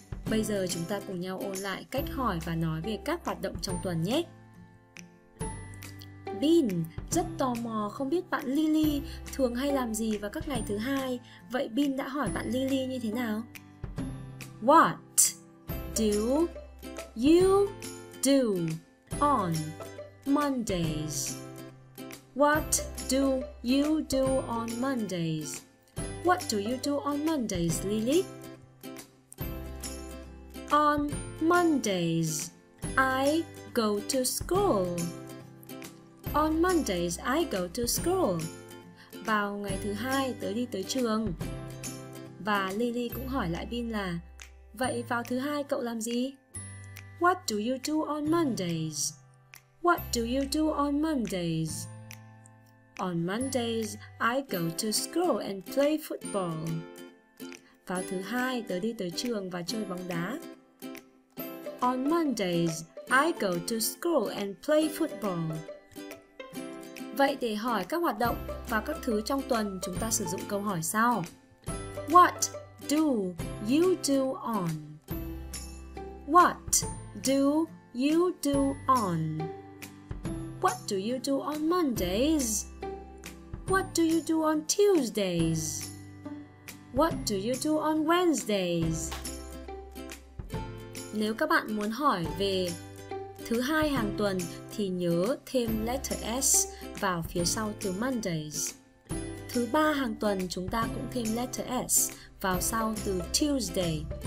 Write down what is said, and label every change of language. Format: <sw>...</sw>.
<vi>Bây giờ chúng ta cùng nhau ôn lại cách hỏi và nói về các hoạt động trong tuần nhé. Bean rất tò mò không biết bạn Lily thường hay làm gì vào các ngày thứ hai. Vậy Bean đã hỏi bạn Lily như thế nào?</vi> <en>What do you do on Mondays? What do you do on Mondays? What do you do on Mondays, Lily? On Mondays, I go to school. On Mondays, I go to school.</en> <vi>Vào ngày thứ hai, tớ đi tới trường. Và Lily cũng hỏi lại Bin là, vậy vào thứ hai cậu làm gì?</vi> <en>What do you do on Mondays? What do you do on Mondays? On Mondays, I go to school and play football.</en> <vi>Vào thứ hai, tớ đi tới trường và chơi bóng đá.</vi> <en>On Mondays, I go to school and play football.</en> <vi>Vậy để hỏi các hoạt động và các thứ trong tuần, chúng ta sử dụng câu hỏi sau.</vi> <en>What do you do on? What do you do on? What do you do on Mondays? What do you do on Tuesdays? What do you do on Wednesdays?</en> <vi>Nếu các bạn muốn hỏi về thứ hai hàng tuần thì nhớ thêm</vi> <en>letter S</en> <vi>vào phía sau từ Mondays. Thứ ba hàng tuần chúng ta cũng thêm</vi> <en>letter S</en> <vi>vào sau từ Tuesday.</vi>